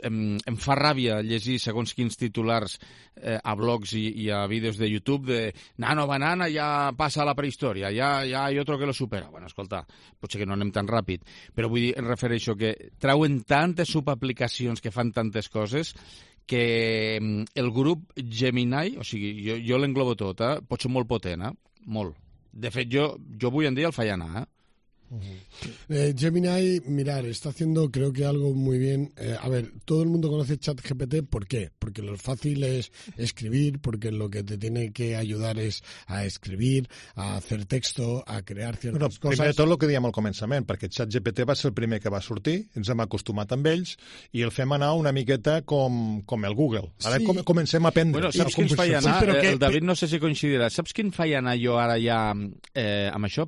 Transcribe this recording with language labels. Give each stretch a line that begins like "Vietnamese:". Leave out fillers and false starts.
Catalan: Em fa ràbia llegir segons quins titulars a blogs i a vídeos de YouTube de Nano Banana ja passa a la prehistòria, ja hi ha
Spanish: otro que lo supera.
Catalan: Bueno, escolta, potser que no anem tan ràpid, però vull dir, em refereixo que trauen tantes subaplicacions que fan tantes coses que el grup Gemini, o sigui, jo l'englobo tot, pot ser molt potent, molt. De fet,
Spanish: yo voy en día al Fallana, ¿eh? Uh-huh. Gemini, mirar, está haciendo, creo que algo muy bien. A ver, todo el mundo conoce ChatGPT, ¿por qué? Porque lo fácil es escribir, porque lo que te tiene que ayudar es a escribir, a hacer texto, a crear ciertas cosas.
Catalan: Primer de tot, lo que dèiem al començament, perquè ChatGPT va ser el primer que va sortir, ens hem acostumat amb ells, i el fem anar una miqueta com el Google. Ara sí. Comencem a aprendre. Bueno, saps quin feia anar? Sí, el David no sé si coincidirà. Saps quin feia anar jo ara ja amb això?